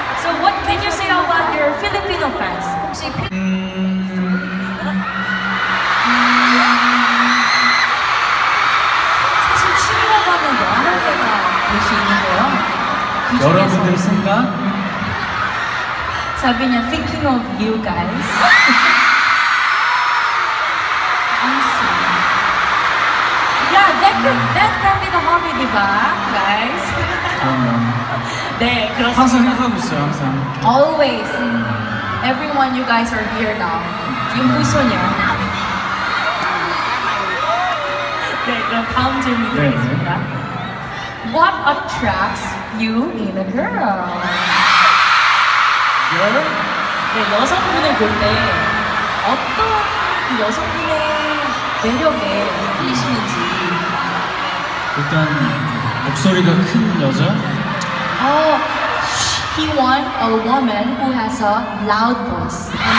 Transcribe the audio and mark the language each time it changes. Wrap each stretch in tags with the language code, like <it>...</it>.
<en>So what can you say about your Filipino fans?</en> <ko>혹시 사실 취미라고 하는 게 여러 개가 될 수 있는데요. 여러분들 생각?</ko> <en>사비냐, thinking of you guys. I'm sorry. Yeah, that can be the hobby, right, guys?</en> <ko>네, 그렇습니다. 항상 생각하고 있어요, 항상.</ko> <en>Always. Everyone, you guys are here now.</en> <ko>김부소녀. 네, 그럼 다음 질문 드리겠습니다.</ko> <en>What attracts you in a girl? Girl?</en> <ko>네, 여성분을 볼 때 어떤 여성분의 매력에 끌리시는지. 일단 목소리가 큰 여자.</ko> <en>Oh, he wants a woman who has a loud voice.</en>